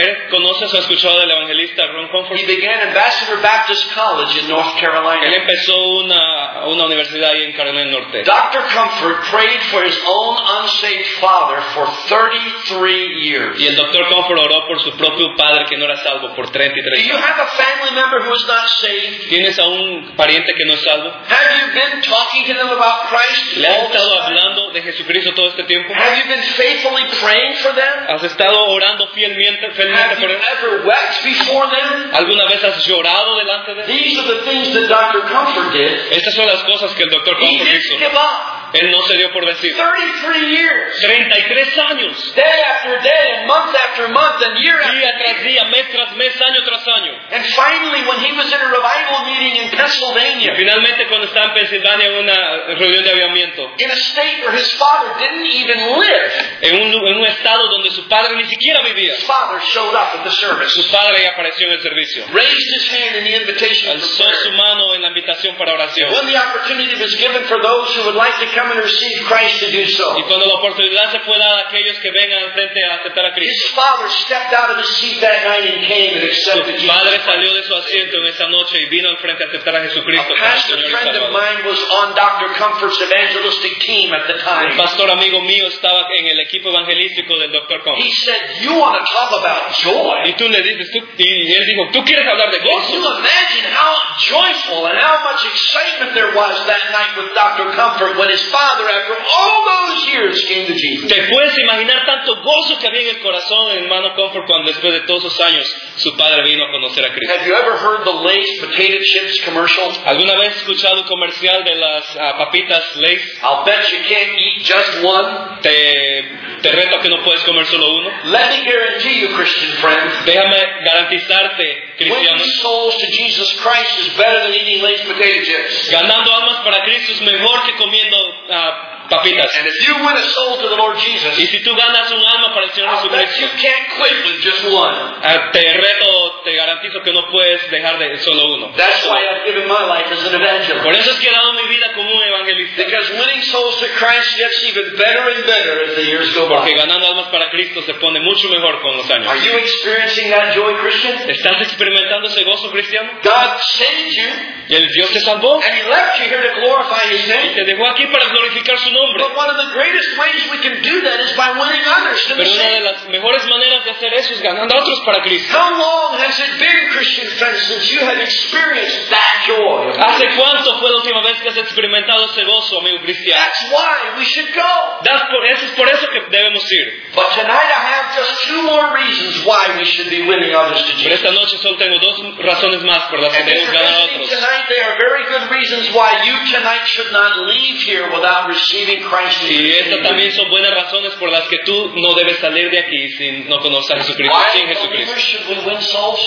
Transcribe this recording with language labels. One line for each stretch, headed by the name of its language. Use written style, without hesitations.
Spanish: ¿Conoces o has escuchado del evangelista Ron Comfort?
English: He began Ambassador Baptist College in North Carolina.
Spanish: Él empezó una universidad ahí en Carolina del Norte.
English: Dr. Comfort prayed for his own unsaved father for 33 years.
Spanish: Y el Dr. Comfort oró por su propio padre que no era salvo por 33 años.
English: Do you have a family member who is not saved?
Spanish: ¿Tienes a un pariente que no es salvo?
English: Have you been talking to them about Christ?
Spanish: ¿Le has estado hablando de Jesucristo todo este tiempo?
English: Have you been faithfully praying for them?
Spanish: ¿Has estado orando fielmente por ellos?
English: Have you ever wept before them?
Spanish: ¿Alguna vez has llorado delante de ellos?
English: These are the things that Dr. Comfort did.
Spanish: Estas son las cosas que el Dr. Comfort hizo. Él no se dio por vencido.
English: 33 years.
Spanish: 33 años.
English: Day after day, month after month, and year after year.
Spanish: Día tras día, mes tras mes, año tras año.
English: And finally, when he was in a revival meeting in Pennsylvania.
Spanish: Y finalmente, cuando estaba en Pensilvania en una reunión de avivamiento.
English: In a state where his father didn't even live.
Spanish: En un estado donde su padre ni siquiera vivía.
English: His father showed up at the service.
Spanish: Su padre apareció en el servicio.
English: Raised his hand in the invitation.
Spanish: Alzó su mano en la invitación para oración.
English: When the opportunity was given for those who would like to come and receive Christ to do so.
Spanish: Y cuando la oportunidad se fue dada a aquellos que vengan al frente a aceptar a Cristo.
English: His father stepped out of his seat that night and came and accepted Jesus.
Spanish: Su padre salió de su asiento en esa noche y vino al frente a aceptar a Jesucristo.
English: A pastor friend of mine was on Dr. Comfort's evangelistic team at the time.
Spanish: Un pastor amigo mío estaba en el equipo evangelístico del Dr. Comfort.
English: He said, "You want to talk about joy?"
Spanish: Y tú le dices, tú, y él dijo, "¿Tú quieres hablar de gozo?"
English: Can you imagine how joyful and how much excitement there was that night with Dr. Comfort when his father, after all those years, came to Jesus.
Spanish: ¿Te puedes imaginar tanto gozo que había en el corazón en hermano Comfort cuando después de todos esos años su padre vino a conocer a Cristo?
English: Have you ever heard the Lay's potato chips commercial?
Spanish: ¿Alguna vez has escuchado el comercial de las papitas Lay's?
English: I'll bet you can't eat just one.
Spanish: Te reto que no puedes comer solo uno.
English: Let me guarantee you, Christian friend.
Spanish: Déjame garantizarte, cristiano.
English: Winning souls to Jesus Christ is better than eating Lay's potato chips.
Spanish: Ganando almas para Cristo es mejor que comiendo papitas.
English: And if you win a soul to the Lord Jesus,
Spanish: y si tú ganas un alma para el Señor Jesucristo,
English: you can't quit with just one.
Spanish: Te reto, te garantizo que no puedes dejar de solo uno.
English: That's why I've given my life as an evangelist.
Spanish: Por eso es que he dado mi vida como un evangelista.
English: Because winning souls to Christ gets even better and better as the years go by.
Spanish: Porque ganando almas para Cristo se pone mucho mejor con los años.
English: Are you experiencing that joy, Christian?
Spanish: ¿Estás experimentando ese gozo, cristiano?
English: God saved you.
Spanish: Y el Dios te salvó.
English: And he left you here to glorify his name.
Spanish: Y te dejó aquí para glorificar su nombre.
English: But one of the greatest ways we can do that is by winning others to the
Spanish: Pero una de las mejores maneras de hacer eso es ganando a otros para Cristo.
English: How long has it been, Christian friends, since you have experienced that joy?
Spanish: ¿Hace cuánto fue la última vez que has experimentado ese gozo, amigo cristiano?
English: That's why we should go.
Spanish: Eso es por eso que debemos ir.
English: But tonight I have just two more reasons why we should be winning others to Jesus.
Spanish: Pero esta noche solo tengo dos razones más por las que debemos ganar a otros.
English: Tonight there are very good reasons why you tonight should not leave here without receiving.
Spanish: Y estas también son buenas razones por las que tú no debes salir de aquí si no conoces a Jesucristo, sin Jesucristo.